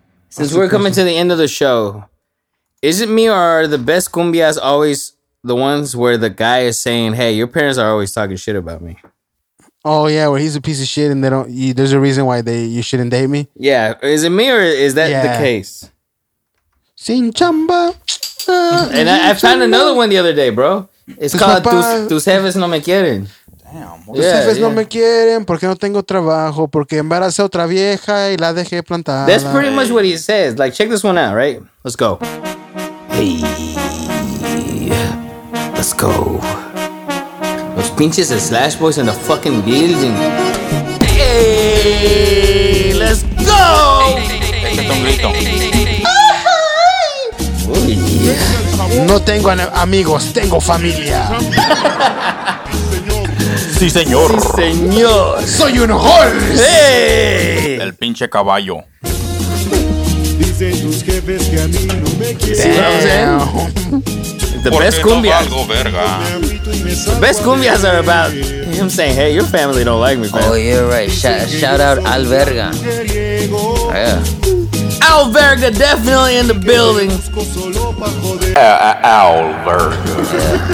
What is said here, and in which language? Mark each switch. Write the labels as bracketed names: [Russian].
[English] Since we're coming to the end of the show, is it me or are the best cumbias always the ones where the guy is saying, hey, your parents are always talking shit about me? Oh, yeah, where he's a piece of shit and there's a reason why you shouldn't date me? Yeah. Is it me or is that the case? [Spanish] Sin chamba. [English] And I found another one the other day, bro. It's called Tus Jefes No Me Quieren. [Spanish] Los jefes no me quieren porque no tengo trabajo porque embaracé otra vieja y la dejé plantada. [English] That's pretty much what he says. Like, check this one out, right? Let's go. Hey, let's go. [Spanish] Los pinches de [English] Slash Boyz in the fucking building. Hey, let's go. [Spanish] No tengo amigos, tengo familia. Sí, señor. Sí, señor. Soy un horse. ¡Hey! El pinche caballo. Dicen tus jefes que a mí no me quieren. [English] Damn. The best cumbias. [Spanish] No verga. [English] The best cumbias are about him saying, hey, your family don't like me, man. Oh, you're right. Shout out [Spanish] al verga. [English] Yeah. [Spanish] Al verga [English] definitely in the building. [Spanish] Al verga.